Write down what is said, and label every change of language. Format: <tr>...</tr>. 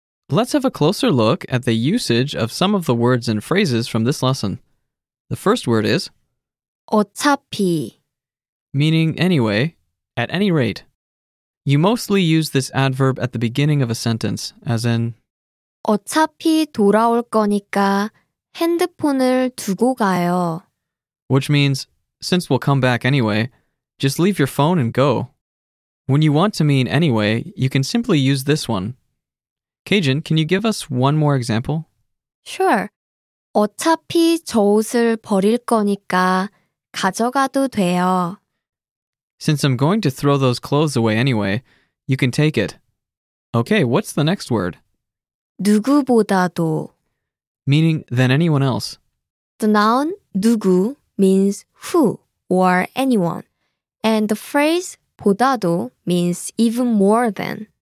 <en>Let's have a closer look at the usage of some of the words and phrases from this lesson. The first word is</en> <ko>어차피</ko> <en>meaning anyway, at any rate. You mostly use this adverb at the beginning of a sentence, as in</en> <ko>어차피 돌아올 거니까 핸드폰을 두고 가요.</ko> <en>Which means, since we'll come back anyway, just leave your phone and go. When you want to mean anyway, you can simply use this one. Cajun, can you give us one more example? Sure.</en> <ko>어차피 저 옷을 버릴 거니까 가져가도 돼요.</ko> <en>Since I'm going to throw those clothes away anyway, you can take it. Okay, what's the next word?</en> <ko>누구보다도.</ko> <en>Meaning than anyone else. The noun 누구 means who or anyone. And the phrase 보다도 means even more than.</en>